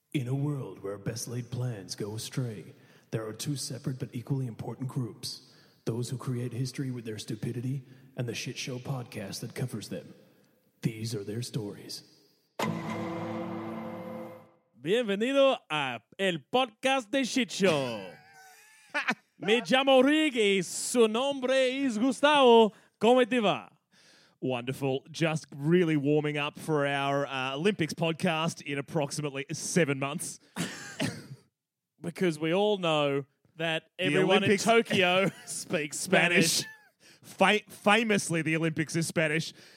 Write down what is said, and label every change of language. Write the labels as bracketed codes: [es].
[en] In a world where best laid plans go astray, there are two separate but equally important groups. Those who create history with their stupidity and the shit show podcast that covers them. These are their stories. [es] Bienvenido a el podcast de shit show. Me llamo Rick y su nombre es Gustavo. ¿Cómo te va? [en] Wonderful. Just really warming up for our Olympics podcast in approximately 7 months. Because we all know that everyone in Tokyo speaks Spanish. Famously, the Olympics is Spanish.